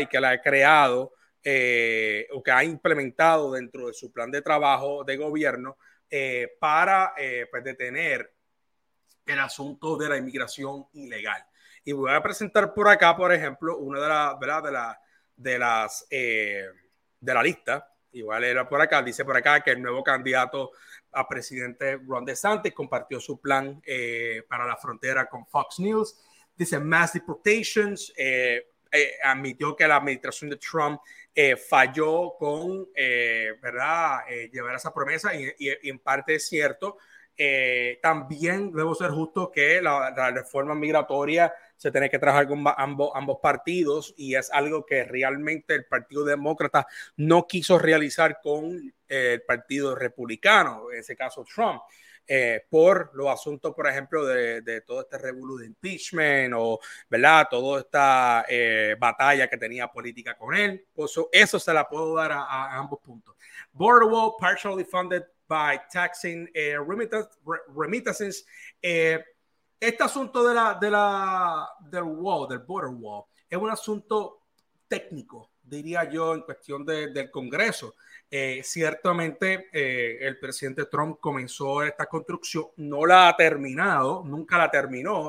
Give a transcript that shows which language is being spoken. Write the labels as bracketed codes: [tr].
[es] Y que la ha creado o que ha implementado dentro de su plan de trabajo de gobierno para pues, detener el asunto de la inmigración ilegal. Y voy a presentar por acá, por ejemplo, una de las, ¿verdad? De la lista. Igual era por acá, dice por acá que el nuevo candidato a presidente Ron DeSantis compartió su plan para la frontera con Fox News. Dice: [en] Mass deportations. [es] Admitió que la administración de Trump falló con ¿verdad? Llevar esa promesa, y en parte es cierto. También debo ser justo que la reforma migratoria se tiene que trabajar con ambos partidos, y es algo que realmente el Partido Demócrata no quiso realizar con el Partido Republicano, en ese caso Trump, por los asuntos, por ejemplo, de todo este revuelo de impeachment o, ¿verdad?, toda esta batalla que tenía política con él. Pues eso se la puedo dar a ambos puntos. [en] Border wall partially funded by taxing remittances. [es] Este asunto del wall, del border wall, es un asunto técnico, diría yo, en cuestión del Congreso. Ciertamente, el presidente Trump comenzó esta construcción, no la ha terminado, nunca la terminó.